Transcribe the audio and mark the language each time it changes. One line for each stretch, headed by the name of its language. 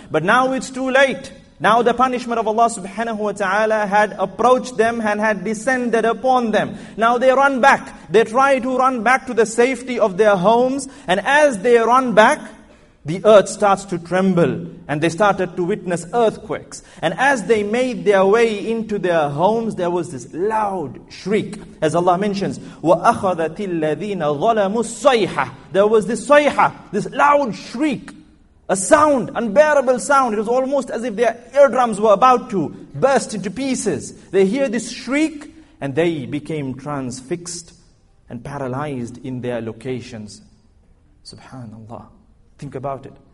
English: But now it's too late. Now the punishment of Allah subhanahu wa ta'ala had approached them and had descended upon them. Now they run back. They try to run back to the safety of their homes. And as they run back, the earth starts to tremble. And they started to witness earthquakes. And as they made their way into their homes, there was this loud shriek. As Allah mentions,
Arabic: وَأَخَذَتِ الَّذِينَ ظَلَمُوا الصَّيْحَةَ.
English: There was this sayha, this loud shriek. A sound, unbearable sound. It was almost as if their eardrums were about to burst into pieces. They hear this shriek and they became transfixed and paralyzed in their locations. Subhanallah. Think about it.